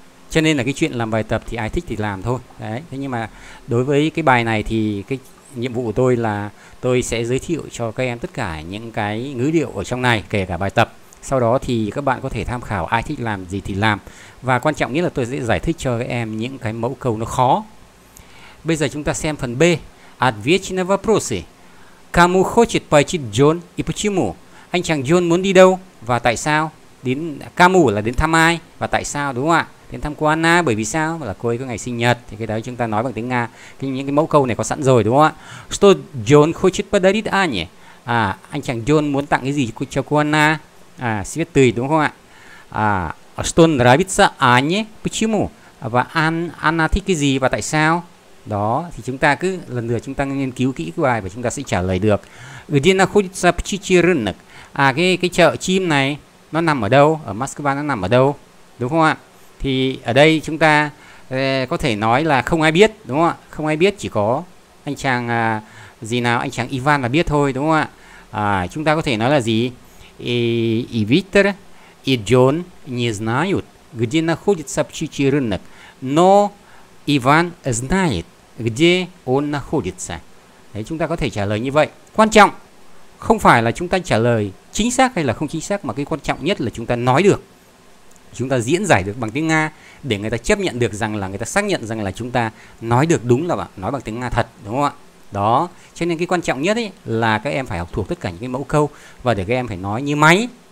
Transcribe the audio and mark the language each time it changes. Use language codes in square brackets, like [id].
[vi] Cho nên là cái chuyện làm bài tập thì ai thích thì làm thôi. Đấy, thế nhưng mà đối với cái bài này thì cái nhiệm vụ của tôi là tôi sẽ giới thiệu cho các em tất cả những cái ngữ điệu ở trong này, kể cả bài tập. Sau đó thì các bạn có thể tham khảo, ai thích làm gì thì làm. Và quan trọng nhất là tôi sẽ giải thích cho các em những cái mẫu câu nó khó. Bây giờ chúng ta xem phần B. [ru] Отвечай на вопросы. Кому хочет пойти Джон и почему? [vi] Anh chàng John muốn đi đâu và tại sao? Đến Кому là đến thăm ai và tại sao, đúng không ạ? Đến thăm cô Anna bởi vì sao? Là cô ấy có ngày sinh nhật. Thì cái đó chúng ta nói bằng tiếng Nga. Những cái mẫu câu này có sẵn rồi, đúng không ạ? [ru] Что Джон хочет подарить Ане? [vi] À, anh chàng John muốn tặng cái gì cho cô Anna? À, sẽ viết tùy, đúng không ạ? [ru] À, что нравится Ане? Почему? [vi] Và Anna thích cái gì và tại sao? Đó, thì chúng ta cứ lần lượt chúng ta nghiên cứu kỹ cái bài và chúng ta sẽ trả lời được. [ru] Где находится птичий рынок? [vi] À, cái chợ chim này nó nằm ở đâu? Ở Moscow nó nằm ở đâu? Đúng không ạ? Thì ở đây chúng ta có thể nói là không ai biết, đúng không ạ? Không ai biết, chỉ có anh chàng gì nào, anh chàng Ivan là biết thôi, đúng không ạ? Chúng ta có thể nói là gì? [ru] И Виктор, и Джон не знают, где находится птичий рынок. Но Иван знает, где он находится. [vi] Đấy, chúng ta có thể trả lời như vậy. Quan trọng không phải là chúng ta trả lời chính xác hay là không chính xác, mà cái quan trọng nhất là chúng ta nói được. Chúng ta diễn giải được bằng tiếng Nga để người ta chấp nhận được rằng là người ta xác nhận rằng là chúng ta nói được đúng, là nói bằng tiếng Nga thật, đúng không ạ? Đó, cho nên cái quan trọng nhất ấy là các em phải học thuộc tất cả những cái mẫu câu và để các em phải nói như máy.